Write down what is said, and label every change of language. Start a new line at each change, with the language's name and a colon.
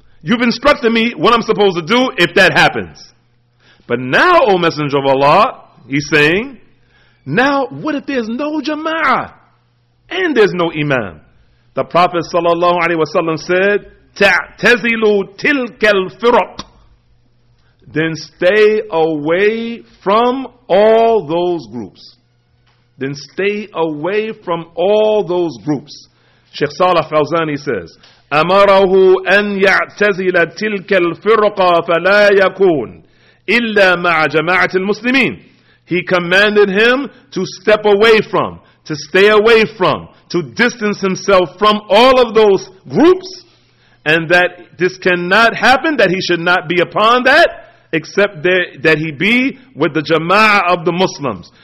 English: You've instructed me what I'm supposed to do if that happens. But now, O Messenger of Allah, he's saying, now what if there's no jama'ah and there's no imam? The Prophet sallallahu alayhi wa sallam said,
Arabic: تَعْتَزِلُوا تِلْكَ الْفِرَقِ.
English: Then stay away from all those groups. Then stay away from all those groups. Sheikh Salah Fawzani says,
Arabic: أَمَرَهُ أَن يَعْتَزِلَ تِلْكَ الْفِرَقَ فَلَا يَكُونَ إِلَّا مَعَ جَمَاعَةِ الْمُسْلِمِينَ.
English: He commanded him to step away from, to stay away from, to distance himself from all of those groups. And that this cannot happen, that he should not be upon that, except that he be with the jama'ah of the Muslims.